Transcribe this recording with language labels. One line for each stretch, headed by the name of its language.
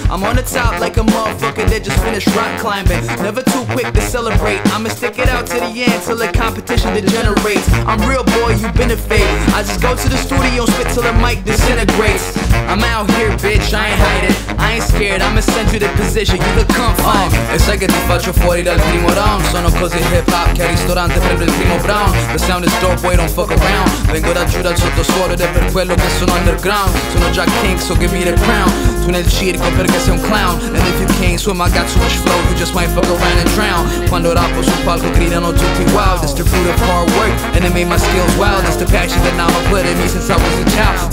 English: I'm on the top like a motherfucker that just finished rock climbing. Never too quick to celebrate. I'ma stick it out to the end till the competition degenerates. I'm real boy, you benefit. I just go to the studio, spit till the mic disintegrates. I'm out here, bitch, I ain't hiding. I ain't scared, I'ma send you the position. You look confident.
Italian: E sai che ti faccio fuori dal primo round. Sono così hip hop che al ristorante prendo il primo brown.
English: The sound is dope, boy, don't fuck around.
Italian: Vengo da giù dal sottosuolo ed è per quello che sono underground. Sono già king,
English: so give me the crown.
Italian: Tu nel circo perché sei un clown.
English: And if you can't swim, I got too much flow. You just might fuck around and drown.
Italian: Quando rappo sul palco gridano tutti wow.
English: That's the fruit of hard work and it made my skills wild. That's the passion that now I put in me since I was a child.